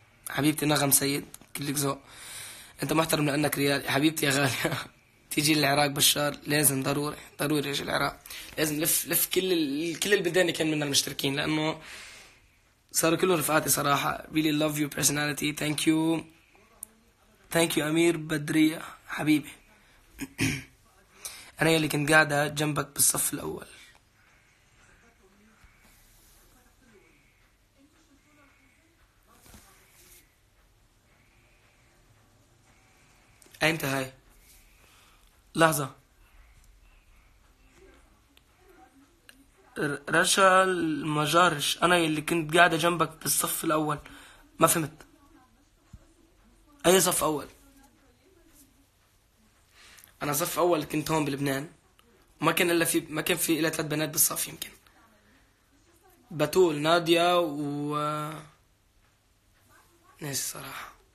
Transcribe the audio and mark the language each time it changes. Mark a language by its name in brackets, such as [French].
[Arabic] حبيبتي نغم سيد كلك ذوق، انت محترم لانك ريالي حبيبتي يا غالية. تيجي للعراق بشار، لازم ضروري ضروري يجي العراق، لازم لف لف كل البلدان اللي كان منا المشتركين، لانه صاروا كلهم رفقاتي صراحة. [English] really love your personality. thank you thank you [Arabic] أمير بدرية حبيبي. أنا اللي كنت قاعدة جنبك بالصف الأول. أنت هاي لحظة رشا المجارش، انا اللي كنت قاعده جنبك بالصف الاول، ما فهمت اي صف اول؟ انا صف اول كنت هون بلبنان، ما كان الا في، ما كان في الا ثلاث بنات بالصف يمكن، بتول نادية و ناس صراحه.